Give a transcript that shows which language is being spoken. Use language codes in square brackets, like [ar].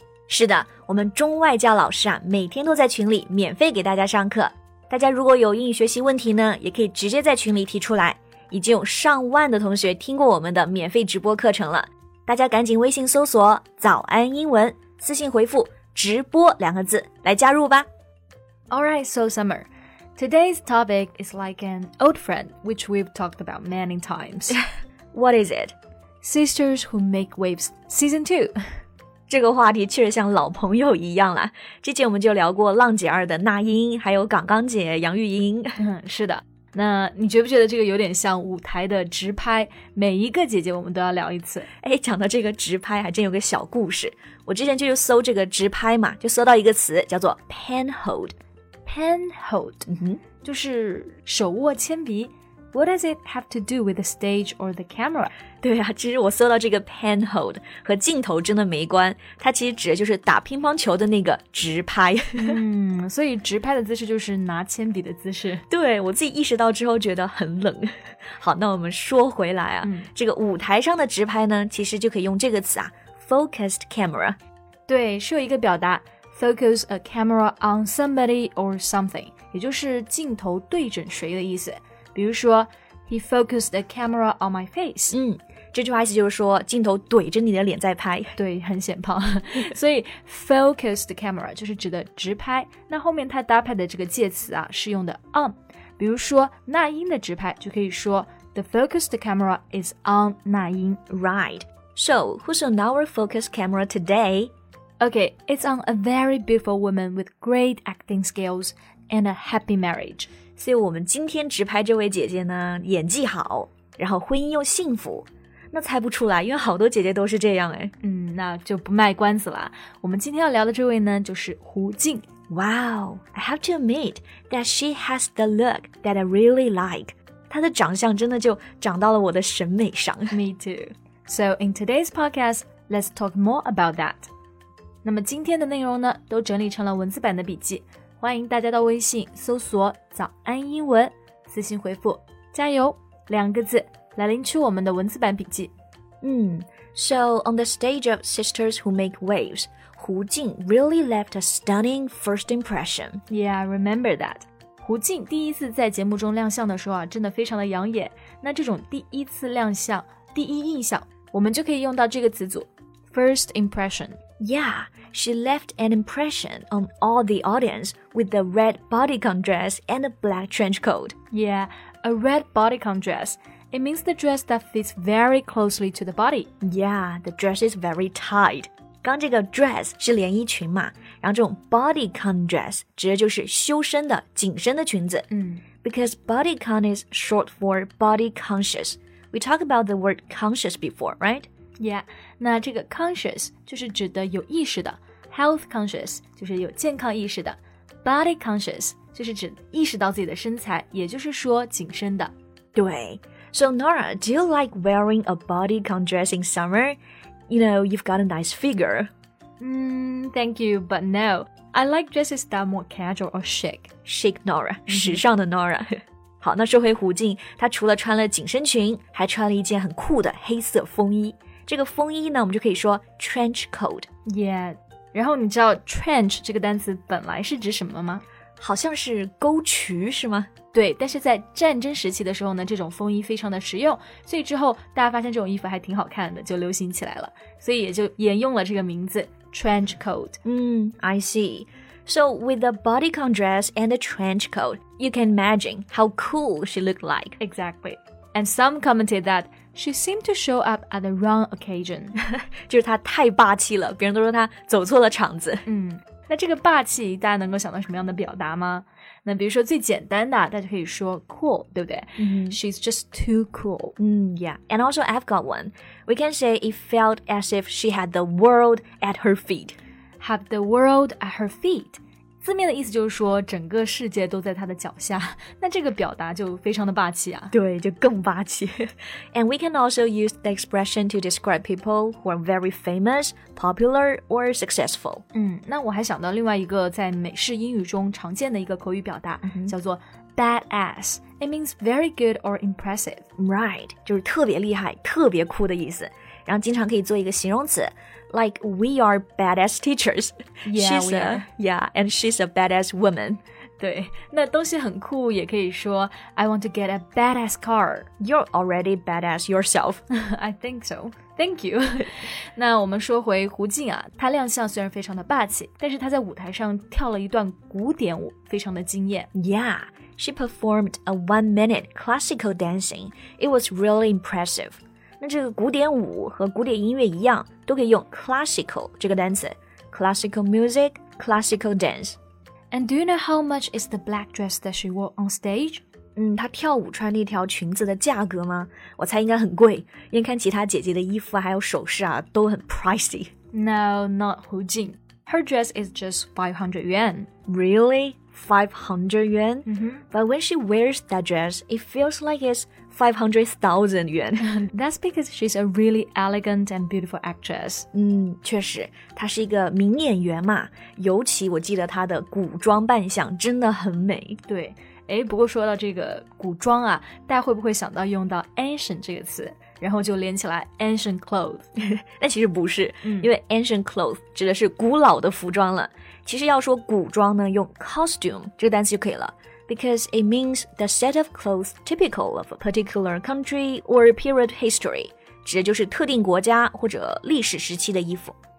[zh] 是的，我们中外教老师啊，每天都在群里免费给大家上课。大家如果有英语学习问题呢，也可以直接在群里提出来。已经有上万的同学听过我们的免费直播课程了，大家赶紧微信搜索早安英文，私信回复直播两个字来加入吧。 [en] Alright, so Summer, today's topic is like an old friend which we've talked about many times. What is it? Sisters Who Make Waves Season 2. [zh] 这个话题确实像老朋友一样了，之前我们就聊过浪姐二的那英，还有港港姐杨钰莹。是的，那你觉不觉得这个有点像舞台的直拍，每一个姐姐我们都要聊一次。哎，讲到这个直拍还真有个小故事。我之前就搜这个直拍嘛，就搜到一个词叫做 penhold。 Penhold、就是手握铅笔。 What does it have to do with the stage or the camera? 对啊，其实我搜到这个 penhold 和镜头真的没关，它其实指的就是打乒乓球的那个直拍。所以直拍的姿势就是拿铅笔的姿势。对，我自己意识到之后觉得很冷。好，那我们说回来啊，这个舞台上的直拍呢，其实就可以用这个词啊， focused camera。对，是有一个表达， [en] focus a camera on somebody or something， [zh] 也就是镜头对准谁的意思。比如说 [en] he focused a camera on my face。 [zh] 这句话意思就是说镜头怼着你的脸在拍。对，很显胖。所以 focused camera 就是指的直拍，那后面它搭配的这个介词啊是用的 on。比如说那英的直拍就可以说 [en] the focused camera is on [zh] 那英。 [en] Right, so who's on our focus camera today? Okay, it's on a very beautiful woman with great acting skills and a happy marriage。 [zh] 所以我们今天直拍这位姐姐呢，演技好，然后婚姻又幸福。那猜不出来，因为好多姐姐都是这样。那就不卖关子了。我们今天要聊的这位呢，就是胡静。 [en] Wow, I have to admit that she has the look that I really like. [zh] 她的长相真的就长到了我的审美上。 [en] Me too. So in today's podcast, let's talk more about that. [zh] 那么今天的内容呢，都整理成了文字版的笔记。欢迎大家到微信搜索早安英文，私信回复加油两个字来领取我们的文字版笔记。 [en] So on the stage of Sisters Who Make Waves, 胡静 really left a stunning first impression. Yeah, I remember that. [zh] 胡静第一次在节目中亮相的时候啊，真的非常的养眼。那这种第一次亮相，第一印象，我们就可以用到这个词组 first impression. [en] Yeah, she left an impression on all the audience with the red bodycon dress and a black trench coat. Yeah, a red bodycon dress. It means the dress that fits very closely to the body. Yeah, the dress is very tight. [zh] 刚这个 dress 是连衣裙嘛，然后这种 bodycon dress 指的就是修身的紧身的裙子。 [en] Because bodycon is short for body conscious. We talked about the word conscious before, right? [zh] Yeah, 那这个 conscious 就是指的有意识的， health conscious 就是有健康意识的， body conscious 就是指意识到自己的身材，也就是说紧身的。对。 [en] So Nora, do you like wearing a bodycon dress in summer? You know, you've got a nice figure. Thank you, but no. I like dresses that are more casual or chic. Chic Nora, 时尚的 Nora. [zh] 好，那说回胡静，她除了穿了紧身裙，还穿了一件很酷的黑色风衣。这个风衣呢，我们就可以说 trench coat. Yeah, 然后你知道 trench 这个单词本来是指什么吗？好像是沟渠是吗？对，但是在战争时期的时候呢，这种风衣非常的实用，所以之后大家发现这种衣服还挺好看的，就流行起来了，所以也就沿用了这个名字 trench coat. [en] I see. So with the bodycon dress and the trench coat, you can imagine how cool she looked like. Exactly. And some commented that she seemed to show up at the wrong occasion. [zh] 就是她太霸气了，别人都说她走错了场子。嗯，那这个霸气大家能够想到什么样的表达吗？那比如说最简单的，大家可以说 cool, 对不对？ [en] She's just too cool. Yeah. And also I've got one. We can say it felt as if she had the world at her feet. Have the world at her feet. [zh] 字面的意思就是说整个世界都在他的脚下，那这个表达就非常的霸气啊。对，就更霸气。 [en] And we can also use the expression to describe people who are very famous, popular, or successful. [zh] 嗯，那我还想到另外一个在美式英语中常见的一个口语表达、mm-hmm. 叫做 badass. [en] It means very good or impressive. [zh] Right, 就是特别厉害，特别酷的意思。然后经常可以做一个形容词。 [en] Like, we are badass teachers. Yeah, she's we are. Yeah, and she's a badass woman. [zh] 对，那东西很酷也可以说 [en] I want to get a badass car. You're already badass yourself. I think so. Thank you. [zh] 那我们说回胡静啊，她亮相虽然非常的霸气，但是她在舞台上跳了一段古典舞，非常的惊艳。 [en] Yeah, she performed a one-minute classical dancing. It was really impressive. [zh] 那这个古典舞和古典音乐一样都可以用 classical 这个单词 classical music, classical dance. [en] And do you know how much is the black dress that she wore on stage? [zh] 嗯，她跳舞穿那条裙子的价格吗？我猜应该很贵，眼看其他姐姐的衣服还有首饰啊都很 pricey. [en] No, not Hu Jin. Her dress is just 500 yuan. Really? 500 yuan? Mm-hmm. But when she wears that dress, it feels like it's 500,000 yuan. That's because she's a really elegant and beautiful actress. [zh] 嗯，确实，她是一个名演员嘛，尤其我记得她的古装扮相真的很美。对，诶，不过说到这个古装啊，大家会不会想到用到 ancient 这个词，然后就连起来 ancient clothes? 那其实不是，因为 ancient clothes 指的是古老的服装了。其实要说古装呢，用 costume 这个单词就可以了。 [en] Because it means the set of clothes typical of a particular country or period history. [zh] 指的就是特定国家或者历史时期的衣服。